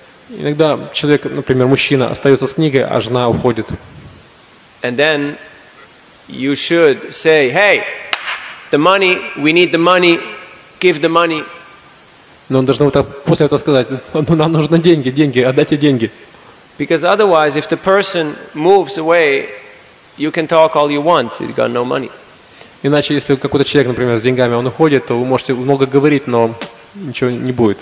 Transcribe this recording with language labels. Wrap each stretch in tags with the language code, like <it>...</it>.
<ru>Иногда человек, например, мужчина, остается с книгой, а жена уходит.</ru> <en>And then you should say, hey, the money, we need the money, give the money.</en> <ru>Но он должен после этого сказать, ну нам нужны деньги, деньги, отдайте деньги.</ru> <en>Because otherwise, if the person moves away, you can talk all you want, you've got no money.</en> <ru>Иначе, если какой-то человек, например, с деньгами, он уходит, то вы можете много говорить, но ничего не будет.</ru>